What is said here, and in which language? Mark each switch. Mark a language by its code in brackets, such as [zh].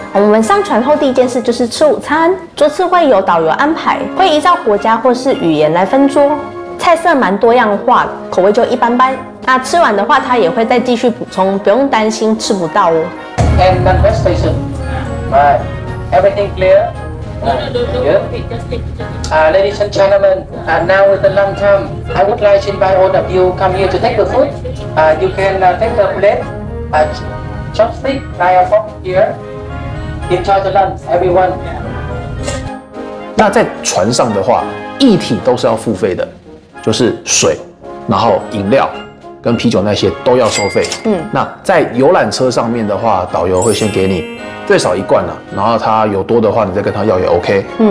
[zh] 我们上船后第一件事就是吃午餐，桌次会由导游安排，会依照国家或是语言来分桌，菜色蛮多样化，口味就一般般。那吃完的话，他也会再继续补充，不用担心吃不到哦。 [en] And conversation, right? Everything clear? Ladies and gentlemen, now is the long time. I would like to invite all of you come here to take the food. You can take the plate, chopstick, knife and fork here. Enjoy the lunch, everyone. [zh] 那在船上的话，液体都是要付费的，就是水，然后饮料跟啤酒那些都要收费。那在游览车上面的话，导游会先给你最少一罐啦、然后他有多的话，你再跟他要也 OK。